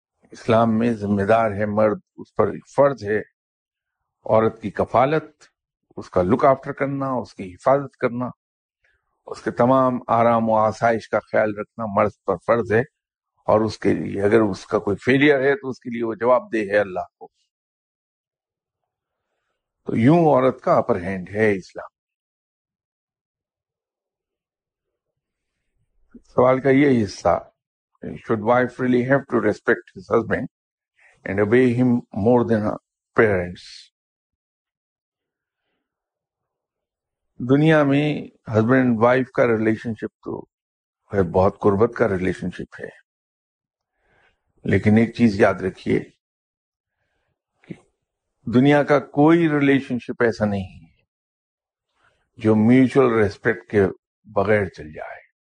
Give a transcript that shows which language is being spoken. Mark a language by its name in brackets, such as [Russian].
[Urdu] اسلام میں ذمہ دار ہے مرد, اس پر فرض ہے عورت کی کفالت, اس کا لک آفٹر کرنا, اس کی حفاظت کرنا, اس کے تمام آرام و آسائش کا خیال رکھنا مرد پر فرض ہے, اور اس کے لیے اگر اس کا کوئی فیلئر ہے تو اس کے لیے وہ جواب دے ہے اللہ کو. تو یوں عورت کا اپر ہینڈ ہے اسلام. سوال کا یہ حصہ, [English] should wife really have to respect his husband and obey him more than her parents? [Urdu] دنیا میں husband and wife کا relationship تو بہت قربت کا relationship ہے, لیکن ایک چیز یاد رکھیے, دنیا کا کوئی ریلیشنشپ ایسا نہیں ہے جو میوچل ریسپیکٹ کے بغیر چل جائے.